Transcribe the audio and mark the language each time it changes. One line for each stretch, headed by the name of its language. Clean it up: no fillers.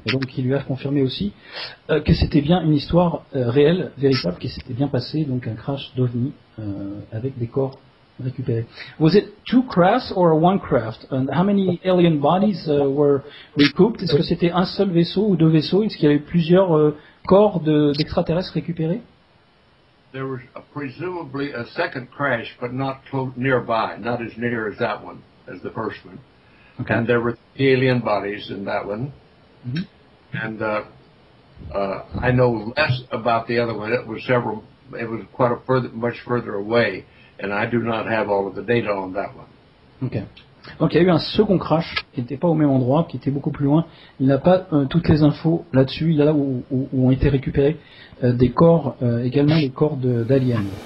French: Et donc il lui a confirmé aussi que c'était bien une histoire réelle, véritable, qui s'était bien passée, donc un crash d'OVNI avec des corps.
English: Was it two crafts or one craft? And how many alien bodies were recouped?
French: Est-ce que c'était un seul vaisseau ou deux vaisseaux? Est-ce qu'il y avait plusieurs corps d'extraterrestres récupérés?
English: There was presumably a second crash, but not close, nearby, not as near as that one, as the first one. Okay. And there were alien bodies in that one. Mm-hmm. And I know less about the other one. It was quite a much further away. And I do not have all of the data on that one. Okay.
French: Donc il y a eu un second crash qui n'était pas au même endroit, qui était beaucoup plus loin. Il n'a pas toutes les infos là-dessus. Il y a là où ont été récupérés des corps, également les corps d'aliens.